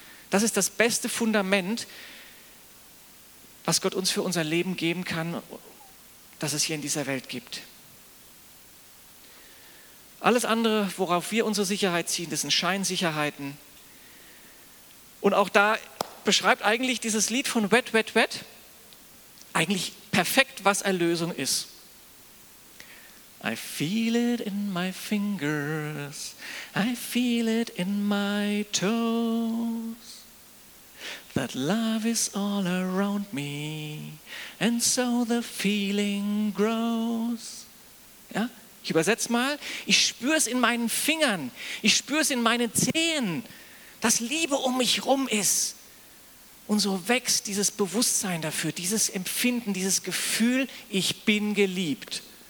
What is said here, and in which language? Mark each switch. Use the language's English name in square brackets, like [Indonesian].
[German] Das ist das beste Fundament, was Gott uns für unser Leben geben kann, das es hier in dieser Welt gibt. Alles andere, worauf wir unsere Sicherheit ziehen, das sind Scheinsicherheiten. Und auch da beschreibt eigentlich dieses Lied von Wet, Wet, Wet eigentlich perfekt, was Erlösung ist. [English] I feel it in my fingers, I feel it in my toes. That love is all around me and so the feeling grows. [German] Ja, ich übersetze mal. Ich spüre es in meinen Fingern, ich spüre es in meinen Zehen, dass Liebe um mich rum ist. Und so wächst dieses Bewusstsein dafür, dieses Empfinden, dieses Gefühl, ich bin geliebt.